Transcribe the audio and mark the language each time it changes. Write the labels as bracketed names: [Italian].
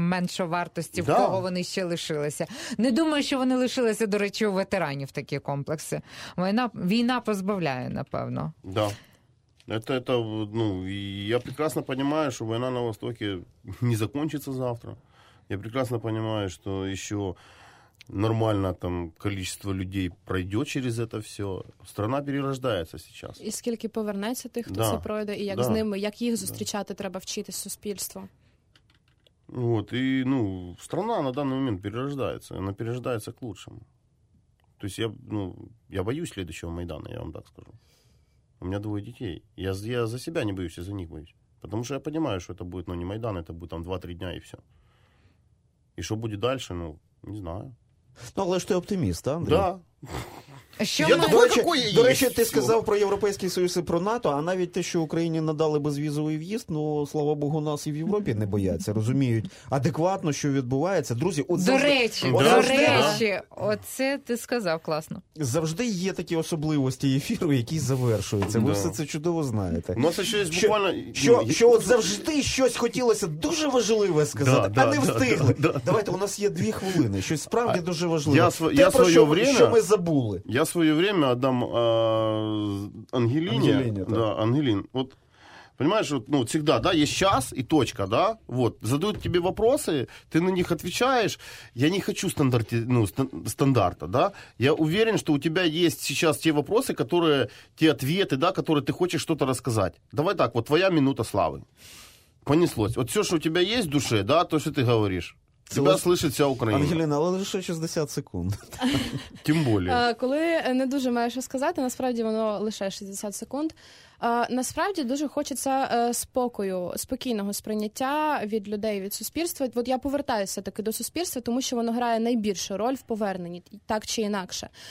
[Ukrainian] меншовартості, да. в кого вони ще лишилися. Не думаю, що вони лишилися, до речі, у ветеранів такі комплекси. Війна позбавляє, напевно. Да. Это, ну, я прекрасно розумію, що війна на Востокі не закінчиться завтра. Я прекрасно розумію, що ще... [Russian] Нормально там количество людей пройдет через это все. Страна перерождается сейчас. И сколько повернется тех, кто да. все пройдет, и как да. с ними, как их встречать, да. [Ukrainian] треба вчити суспільство. [Russian] Вот, и, ну, страна на данный момент перерождается, она перерождается к лучшему. То есть я боюсь следующего Майдана, я вам так скажу. У меня двое детей. Я за себя не боюсь, я за них боюсь. Потому что я понимаю, что это будет, ну, не Майдан, это будет там 2-3 дня и все. И что будет дальше, ну, не знаю. [Ukrainian] Ну, але ж ти оптиміст, а, Андрій? Да. Що я думаю, такої до речі, ти сказав про Європейський Союз і про НАТО, а навіть те, що Україні надали безвізовий в'їзд, ну, слава Богу, нас і в Європі не бояться, розуміють адекватно, що відбувається. Друзі, от до речі, оце ти сказав класно. Завжди є такі особливості ефіру, які завершуються. Ви все це чудово знаєте. У нас ще є буквально... Що от завжди щось хотілося дуже важливе сказати, а не встигли. Давайте, у нас є 2 хвилини, щось справді дуже важливе. Що ми забули? [Russian] Я свое время отдам Ангелине. Да, Ангелин. Вот, понимаешь, вот, ну, всегда, да, есть час и точка, да. Вот, задают тебе вопросы, ты на них отвечаешь. Я не хочу стандарта, да. Я уверен, что у тебя есть сейчас те вопросы, которые, те ответы, да, которые ты хочешь что-то рассказать. Давай так, вот твоя минута славы. Понеслось. Вот все, что у тебя есть в душе, да, то, что ты говоришь. Тебе слышить вся Україна. [Ukrainian] Ангеліна, але лише 60 секунд. Тим більше. Коли не дуже маю що сказати, насправді воно лише 60 секунд. Насправді дуже хочеться спокою, спокійного сприйняття від людей, від суспільства. От я повертаюся таки до суспільства, тому що воно грає найбільшу роль в поверненні, так чи інакше.